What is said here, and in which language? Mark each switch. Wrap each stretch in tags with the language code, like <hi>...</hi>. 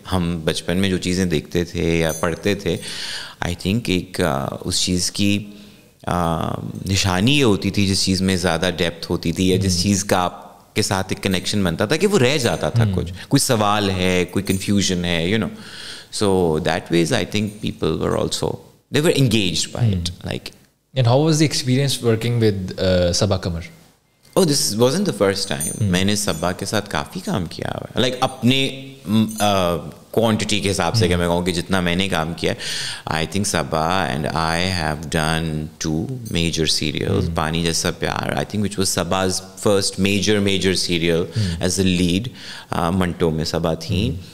<ur>ہم بچپن میں جو چیزیں دیکھتے تھے یا پڑھتے تھے, آئی تھنک ایک اس چیز کی نشانی یہ ہوتی تھی جس چیز میں زیادہ ڈیپتھ ہوتی تھی یا جس چیز کا آپ کے ساتھ ایک کنیکشن بنتا تھا کہ وہ رہ جاتا تھا, کچھ کوئی سوال ہے, کوئی کنفیوژن ہے, you know.</ur> <en>So that ways I think people were also they were engaged by it. Like and how was the experience working with Saba Qamar? Oh this wasn't the first time,</en> <ur>میں نے سبا کے ساتھ کافی کام کیا ہوا ہے, like اپنے quantity کے حساب سے, کہ میں کہوں کہ جتنا میں نے کام کیا ہے,</ur> <en>I think Saba and I have done two major serials, Pani Jaisa Pyar I think which was Saba's first major serial as a lead,</en> <ur>Manto میں سبا تھیں,</ur>